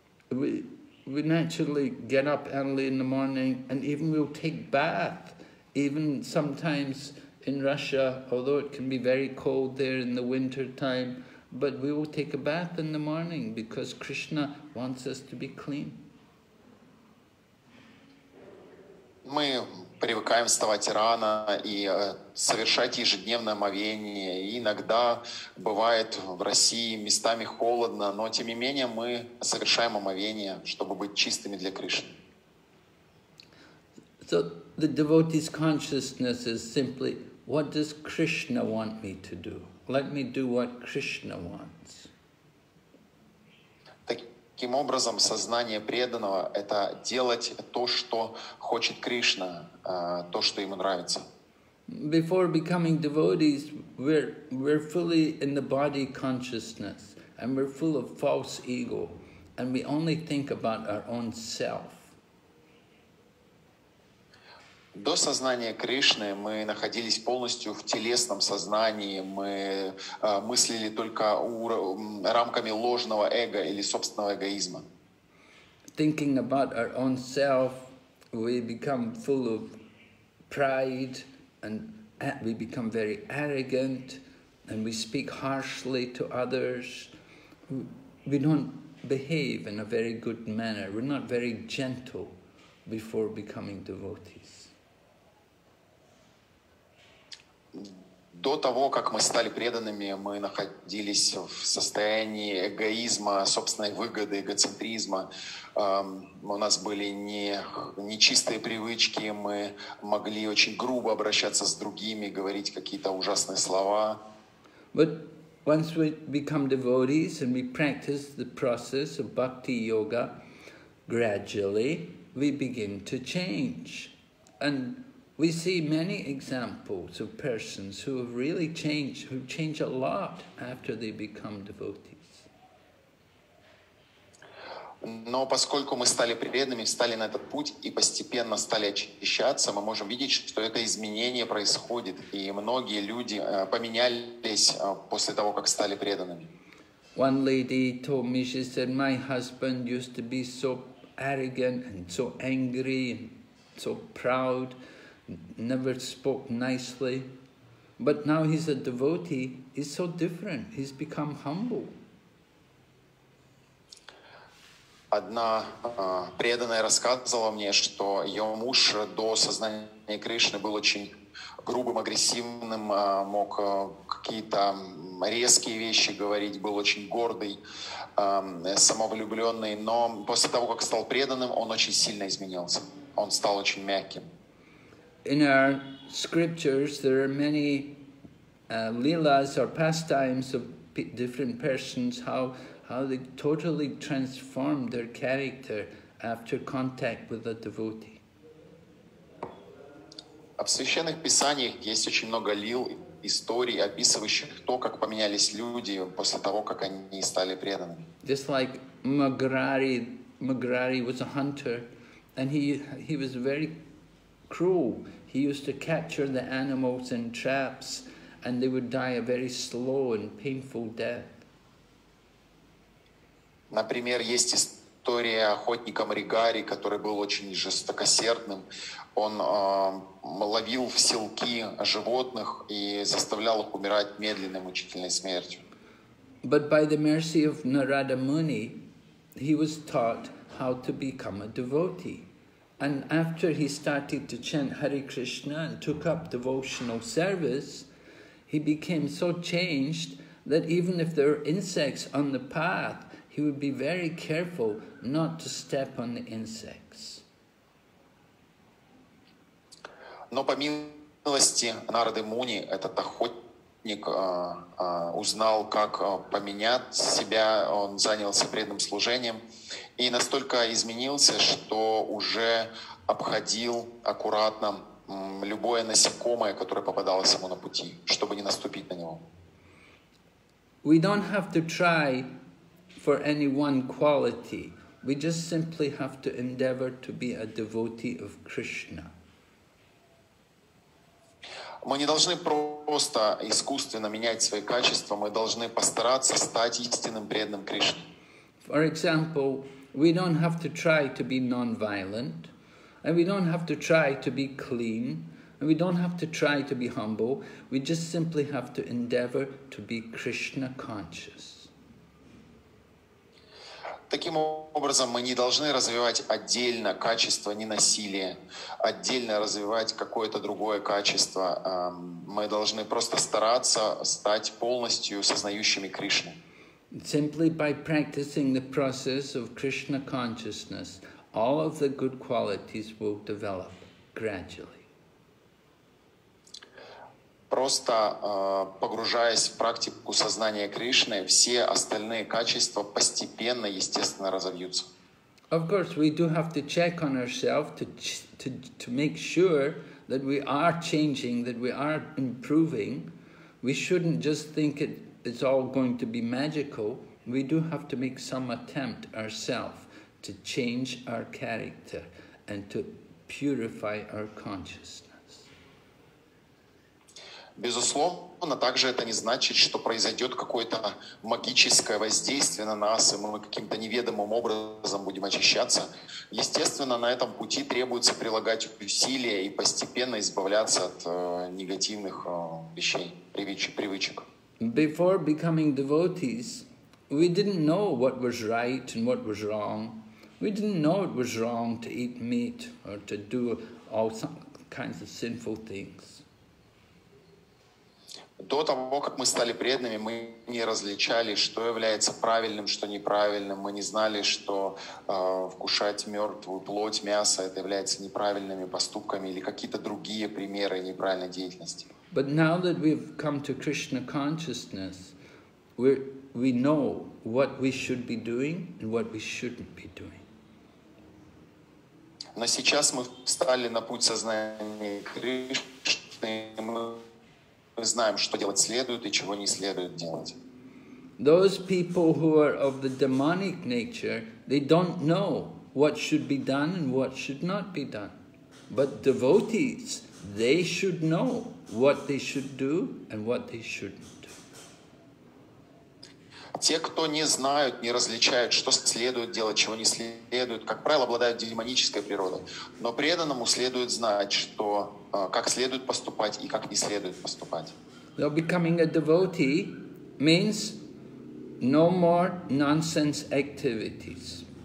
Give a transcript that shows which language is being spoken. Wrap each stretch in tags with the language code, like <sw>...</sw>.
<en>We naturally get up early in the morning and even we'll take bath, even sometimes in Russia, although it can be very cold there in the winter time, but we will take a bath in the morning because Krishna wants us to be clean.</en> <ru>Мы привыкаем вставать рано и совершать ежедневное омовение. Иногда бывает в России местами холодно, но тем не менее мы совершаем омовение, чтобы быть чистыми для Кришны.</ru> <en>So the devotee's consciousness is simply, what does Krishna want me to do? Let me do what Krishna wants.</en> <ru>Таким образом, сознание преданного — это делать то, что хочет Кришна, то, что ему нравится.</ru> <en>Before becoming devotees, we're fully in the body consciousness, and we're full of false ego, and we only think about our own self.</en> <ru>До сознания Кришны мы находились полностью в телесном сознании, мы мыслили только рамками ложного эго или собственного эгоизма.</ru> <en>Thinking about our own self, we become full of pride, and we become very arrogant, and we speak harshly to others. We don't behave in a very good manner. We're not very gentle before becoming devotees.</en> <ru>До того, как мы стали преданными, мы находились в состоянии эгоизма, собственной выгоды, эгоцентризма. У нас были нечистые привычки, мы могли очень грубо обращаться с другими, говорить какие-то ужасные слова.</ru> <en>But once we become devotees and we practice the process of bhakti yoga, gradually we begin to change. And we see many examples of persons who have really changed, who change a lot after they become devotees.</en> <ru>Но поскольку мы стали преданными, встали на этот путь и постепенно стали очищаться, мы можем видеть, что это изменение происходит, и многие люди поменялись после того, как стали преданными.</ru> <en>One lady told me, she said, my husband used to be so arrogant and so angry and so proud. Never spoke nicely, but now he's a devotee, he's so different, he's become humble.</en> <ru>Одна преданная рассказывала мне, что ее муж до сознания Кришны был очень грубым, агрессивным, мог какие-то резкие вещи говорить, был очень гордый, самовлюбленный, но после того, как стал преданным, он очень сильно изменился, он стал очень мягким.</ru> <en>In our scriptures, there are many lilas or pastimes of different persons, how they totally transform their character after contact with a devotee.</en> <ru>В священных писаниях есть очень много лил, историй, описывающих то, как поменялись люди после того, как они стали преданными.</ru> <en>Just like Magrari was a hunter, and he was very cruel. He used to capture the animals in traps, and they would die a very slow and painful death.</en> <ru>Например, есть история охотника Маграри, который был очень жестокосердным. Он ловил в силки животных и заставлял их умирать медленной, мучительной смертью.</ru> <en>But by the mercy of Narada Muni, he was taught how to become a devotee. And after he started to chant Hare Krishna and took up devotional service, he became so changed that even if there were insects on the path, he would be very careful not to step on the insects.</en> <ru>Но по милости Нарады Муни, этот охотник узнал, как поменять себя, он занялся преданным служением. И настолько изменился, что уже обходил аккуратно любое насекомое, которое попадалось ему на пути, чтобы не наступить на него.</ru> <en>We don't have to try for any one quality. We just simply have to endeavor to be a devotee of Krishna.</en> <ru>Мы не должны просто искусственно менять свои качества, мы должны постараться стать истинным преданным Кришне.</ru> <en>For example, we don't have to try to be non-violent, and we don't have to try to be clean, and we don't have to try to be humble. We just simply have to endeavor to be Krishna conscious.</en> <ru>Таким образом, мы не должны развивать отдельно качество ненасилия, отдельно развивать какое-то другое качество. Мы должны просто стараться стать полностью сознающими Кришну.</ru> <en>Simply by practicing the process of Krishna consciousness, all of the good qualities will develop gradually.</en> <ru>Просто погружаясь в практику сознания Кришны, все остальные качества постепенно, естественно, разовьются.</ru> <en>Of course, we do have to check on ourselves to make sure that we are changing, that we are improving. We shouldn't just think it's all going to be magical. We do have to make some attempt ourselves to change our character and to purify our consciousness.</en> <ru>Безусловно, также это не значит, что произойдет какое-то магическое воздействие на нас, и мы каким-то неведомым образом будем очищаться. Естественно, на этом пути требуется прилагать усилия и постепенно избавляться от негативных вещей, привычек.</ru> <en>Before becoming devotees, we didn't know what was right and what was wrong. We didn't know it was wrong to eat meat or to do all some kinds of sinful things.</en> <ru>До того, как мы стали преданными, мы не различали, что является правильным, что неправильным. Мы не знали, что вкушать мертвую плоть, мясо, это является неправильными поступками или какие-то другие примеры неправильной деятельности.</ru> <en>But now that we've come to Krishna consciousness, we know what we should be doing and what we shouldn't be doing.</en> <ru>Но сейчас мы встали на путь сознания Кришны, мы знаем, что делать следует и чего не следует делать.</ru> <en>Those people who are of the demonic nature, they don't know what should be done and what should not be done. But devotees, they should know what they should do and what they shouldn't do.</en> <ru>Те, кто не знают, не различают, что следует делать, чего не следует, как правило, обладают демонической природой. Но преданному следует знать, что как следует поступать и как не следует поступать.</ru> <en>So becoming a devotee means no more nonsense activities.</en>